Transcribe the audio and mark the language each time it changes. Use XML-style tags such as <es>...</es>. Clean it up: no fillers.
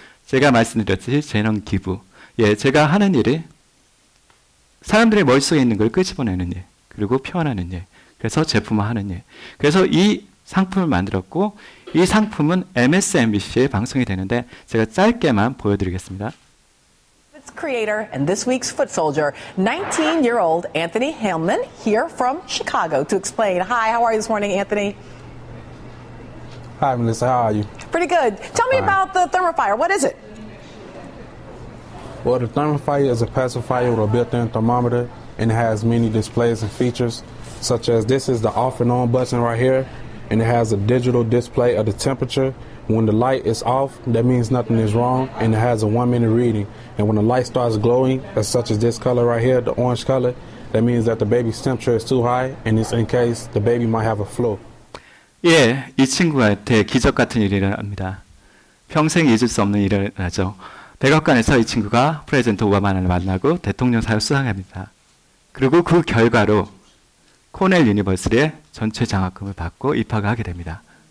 <ko>제가 말씀드렸듯이 재능 기부. 예, 제가 하는 일이 사람들의 머릿속에 있는 걸 끄집어내는 일, 그리고 표현하는 일, 그래서 제품화 하는 일. 그래서 이 상품을 만들었고, 이 상품은 MSNBC에 방송이 되는데 제가 짧게만 보여드리겠습니다.</ko> <en>Creator and this week's foot soldier, 19-year-old Anthony Hillman here from Chicago to explain. Hi, how are you this morning, Anthony? Hi, Melissa. How are you? Pretty good. Tell me about the Thermofire. What is it? Well, the Thermofire is a pacifier with a built-in thermometer, and it has many displays and features, such as this is the off and on button right here, and it has a digital display of the temperature. When the light is off, that means nothing is wrong, and it has a one-minute reading. And when the light starts glowing, as such as this color right here, the orange color, that means that the baby's temperature is too high, and it's in case the baby might have a flu.</en> <ko>예, 이 친구한테 기적 같은 일이 일어납니다. 평생 잊을 수 없는 일이 일어나죠. 백악관에서 이 친구가 프레젠트 오바마를 만나고 대통령 사유 수상합니다. 그리고 그 결과로 코넬 유니버스리의 전체 장학금을 받고 입학을 하게 됩니다.</ko>